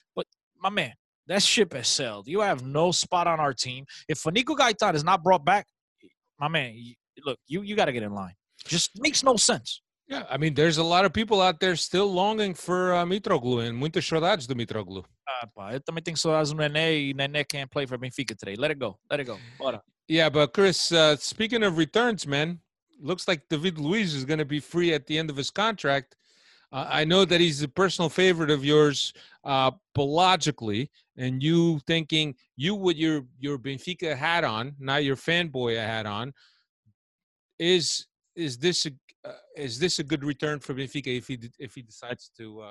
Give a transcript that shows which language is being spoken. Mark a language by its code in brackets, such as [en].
[en] But, my man, that ship has sailed. You have no spot on our team. If Nico Gaitán is not brought back, my man, you got to get in line. Just makes no sense. Yeah, I mean, there's a lot of people out there still longing for Mitroglou and [pt] muita saudades do Mitroglou. Eu também tenho saudades do Nenê [en] can't play for Benfica today. Let it go. Bora. Yeah, but Chris, speaking of returns, man, looks like David Luiz is going to be free at the end of his contract. I know that he's a personal favorite of yours, but logically, and you thinking, you with your Benfica hat on, not your fanboy hat on, is this a good return for Benfica if he decides to